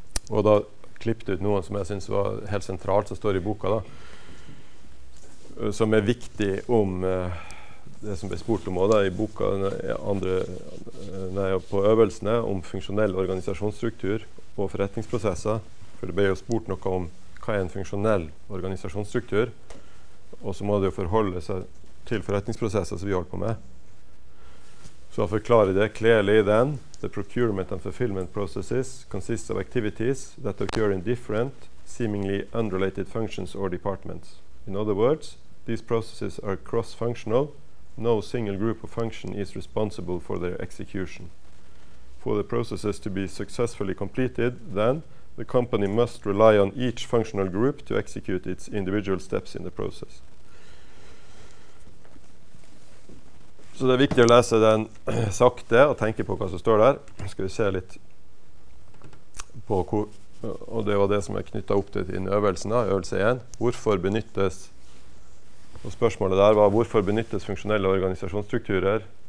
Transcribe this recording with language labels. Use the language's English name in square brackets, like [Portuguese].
[Norwegian] Og da klippet ut noen som jeg synes var helt sentralt, som står i boka da, som er viktig om det som ble spurt om også da, i boka andre, nei, på øvelsene om funksjonell organisasjonsstruktur og forretningsprosesser. For det ble jo spurt noe om hva er en funksjonell organisasjonsstruktur, og så må det jo forholde seg til forretningsprosesser som vi holder på med. Så jeg forklarer det clearly then. [English] The procurement and fulfillment processes consist of activities that occur in different, seemingly unrelated functions or departments. In other words, these processes are cross-functional. No single group of function is responsible for their execution. For the processes to be successfully completed, then, the company must rely on each functional group to execute its individual steps in the process. [Norwegian] Så det er viktig å lese den sakte og tenke på hva som står der. Skal vi se litt på hvor, og det var det som er knyttet opp til din øvelsen da, øvelse 1. Hvorfor benyttes, og spørsmålet der var, hvorfor benyttes funksjonelle organisasjonsstrukturer?